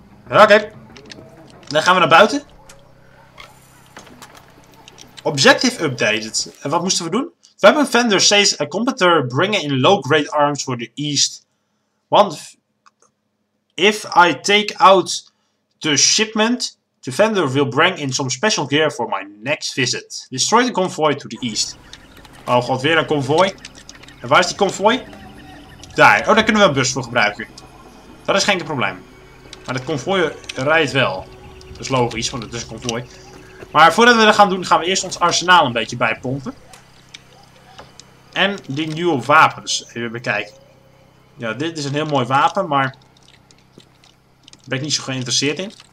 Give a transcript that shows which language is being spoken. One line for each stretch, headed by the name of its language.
Dutch: Oké, dan gaan we naar buiten.
English: Objective updated.
Dutch: En wat moesten we doen?
English: Weapon vendor says a competitor bringing in low-grade arms for the east. Want if I take out the shipment, the vendor will bring in some special gear for my next visit. Destroy the convoy to the east.
Dutch: Oh god, weer een convoy. En waar is die convoy? Daar. Oh, daar kunnen we een bus voor gebruiken. Dat is geen probleem. Maar het convoy rijdt wel. Dat is logisch, want het is een convoy. Maar voordat we dat gaan doen, gaan we eerst ons arsenaal een beetje bijpompen. En die nieuwe wapens even bekijken. Ja, dit is een heel mooi wapen, maar daar ben ik niet zo geïnteresseerd in.